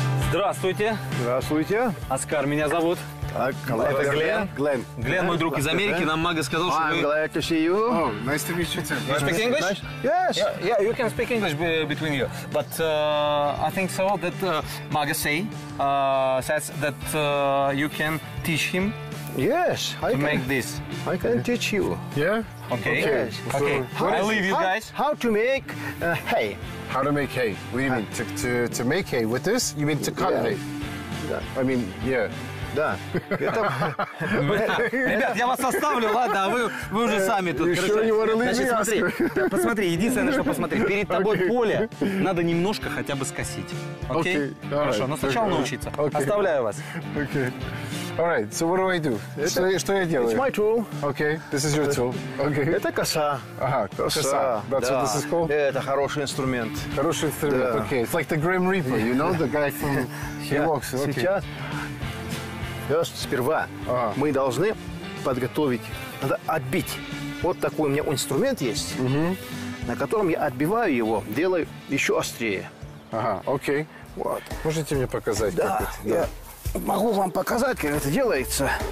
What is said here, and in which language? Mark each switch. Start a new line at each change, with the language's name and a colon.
Russian: Здравствуйте. Здравствуйте. Оскар, меня зовут. Так,
English: hello.
Russian: Это Глен. Глен. Глен, мой друг из Америки. Нам Мага сказал, что
English: I'm glad to see you. Oh, nice to meet you too. You speak English? Yes. Yeah, you can speak English between you. But I think so that Мага says that you can teach him. Yes, I can. Make this. I can teach you. Yeah? Okay. Yes. Okay. So, I leave you guys. How to make hay? How to make hay? What do you mean? To make hay with this? You mean to cut hay? Yeah. I mean, yeah.
Russian: Да. Ребят, я вас оставлю, ладно, а вы уже сами тут. Значит, смотри, посмотри, единственное, что посмотри, перед тобой поле надо немножко хотя бы скосить. Окей? Хорошо, но сначала научиться. Оставляю вас.
English: Окей. All right, so what do I do?
Russian: Что я делаю?
English: It's my tool. Okay, this is your tool. Okay.
Russian: Это коса. Ага, коса.
English: That's what this is called?
Russian: Это хороший инструмент. Хороший инструмент, okay.
English: It's like the Grim Reaper, you know, the guy from... He walks, okay.
Russian: Сейчас... Сперва мы должны подготовить, надо отбить. Вот такой у меня инструмент есть, на котором я отбиваю его, делаю еще острее. Ага, окей. Вот. Можете мне показать? Да, я могу вам показать, как это делается.